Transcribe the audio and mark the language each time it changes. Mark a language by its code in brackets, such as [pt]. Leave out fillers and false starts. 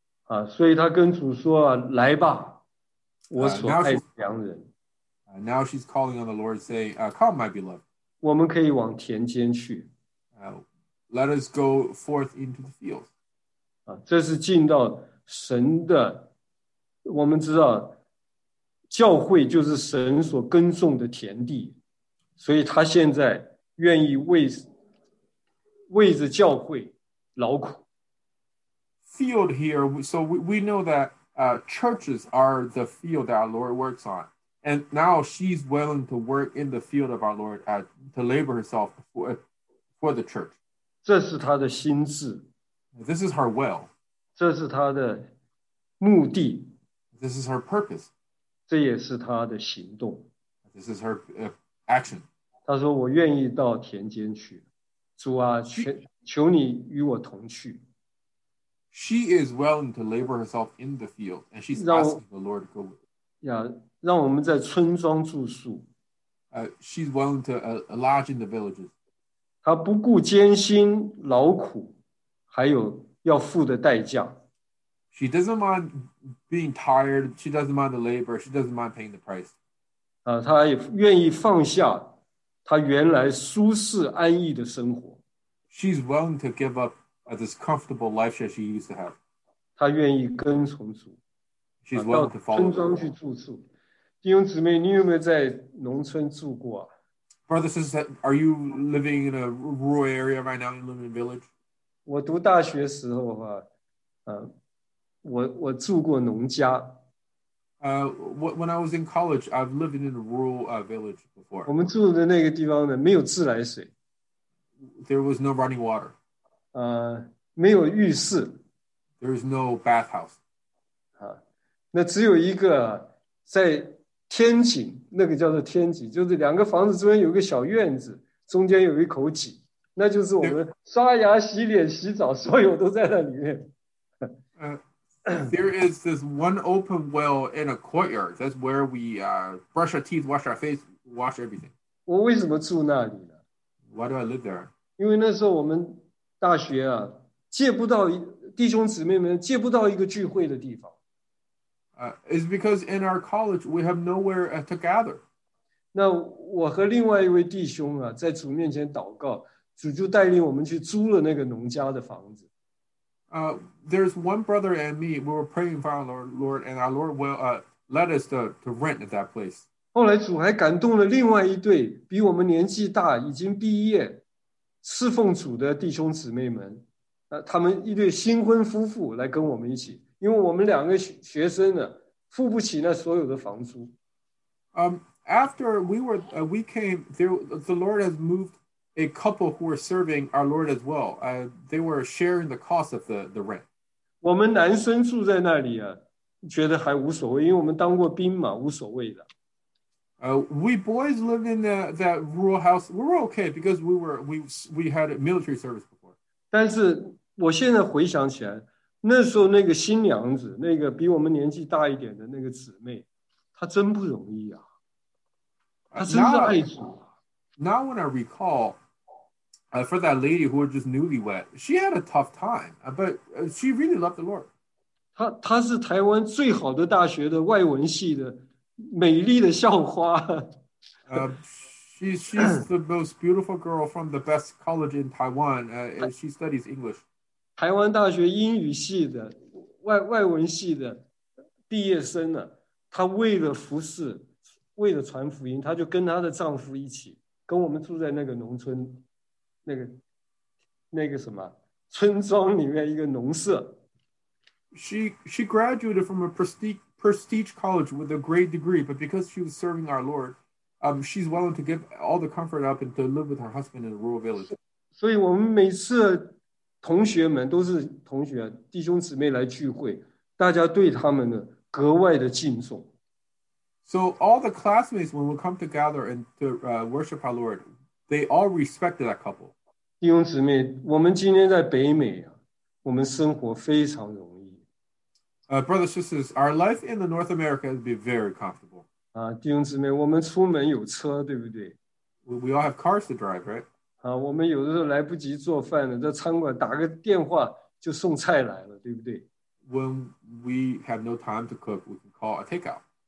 [zh] 啊，所以她跟主说，来吧，我所爱的良人。 [en] Now she's calling on the Lord, saying, "Come, my beloved." [zh] 我们可以往田间去。 [en] Let us go forth into the field. [zh] 这是进到神的，我们知道教会就是神所耕种的田地，所以他现在愿意为着教会劳苦。 [en] Field here, so we know that churches are the field that our Lord works on, and now she's willing to work in the field of our Lord to labor herself for the church. [zh] 这是他的心智。 [en] This is her will. [zh] 这是他的目的。 [en] This is her purpose. [zh] 这也是他的行动。 [en] This is her action. [zh] 他说我愿意到田间去。主啊，求你与我同去。 [en] She is willing to labor herself in the field, and she's asking the Lord to go with her. [zh] 让我们在村庄住宿。 [en] She's willing to lodge in the villages. [zh] 他不顾艰辛劳苦，还有要付的代价。 [en] She doesn't mind being tired. She doesn't mind the labor. She doesn't mind paying the price. [zh] 他也愿意放下他原来舒适安逸的生活。 [en] She's willing to give up this comfortable life that she used to have. [zh] 他愿意跟从主。 [en] She's willing to follow. [zh] 到村庄去住宿。弟兄姊妹，你有没有在农村住过啊？ [en] Brothers and sisters, are you living in a rural area right now? You live in a village? [zh] 我读大学时候啊，我住过农家。 [en] When I was in college, I've lived in a rural village before. [zh] 我们住的那个地方呢，没有自来水。 [en] There was no running water. [zh] 没有浴室。 [en] There is no bathhouse. [zh] 那只有一个在。天井，那个叫做天井，就是两个房子中间有个小院子，中间有一口井，那就是我们刷牙、洗脸、洗澡，所有都在那里面。 [en] There is this one open well in a courtyard. That's where we brush our teeth, wash our face, wash everything. [zh] 我为什么住那里呢 [en] ？Why do I live there？ [zh] 因为那时候我们大学啊，借不到弟兄姊妹们借不到一个聚会的地方。 [en] Is because in our college we have nowhere to gather. [zh] 那我和另外一位弟兄啊，在主面前祷告，主就带领我们去租了那个农家的房子。 [en] There's one brother and me. We were praying for our Lord, and our Lord will let us to rent at that place. [zh] 后来主还感动了另外一对比我们年纪大、已经毕业、侍奉主的弟兄姊妹们，他们一对新婚夫妇来跟我们一起。因为我们两个学生呢，付不起那所有的房租。 [en] After we were, we came there. The Lord has moved a couple who were serving our Lord as well. They were sharing the cost of the rent. [zh] 我们男生住在那里啊，觉得还无所谓，因为我们当过兵嘛，无所谓的。 [en] We boys live in that rural house. We were okay because we had military service before. [zh] 但是我现在回想起来。那时候那个新娘子，那个比我们年纪大一点的那个姊妹，她真不容易啊！她真是爱主。 [en] Now when I recall, for that lady who was just newlywed, she had a tough time, but she really loved the Lord. [zh] 她是台湾最好的大学的外文系的美丽的校花。 [en] she's the most beautiful girl from the best college in Taiwan, and she studies English. [zh] 台湾大学英语系的 外文系的毕业生呢、啊，她为了服侍，为了传福音，她就跟她的丈夫一起，跟我们住在那个农村，那个什么村庄里面一个农舍。 [en] She graduated from a prestige college with a great degree, but because she was serving our Lord, she's willing to give all the comfort up and to live with her husband in a rural village. [zh] 所以我们每次。同学们都是同学，弟兄姊妹来聚会，大家对他们呢格外的敬重。 [en] So all the classmates, when we come together and to worship our Lord, they all respected that couple. [zh] 弟兄姊妹, 我们今天在北美啊, 我们生活非常容易。 [en] Brothers, sisters, our life in the North America would be very comfortable. [zh] 弟兄姊妹, 我们出门有车, 对不对? [en] We all have cars to drive, right? [zh] 我们有的时候来不及做饭了, 在餐馆打个电话, 就送菜来了, 对不对? [en] When we have no time to cook, we can call a takeout.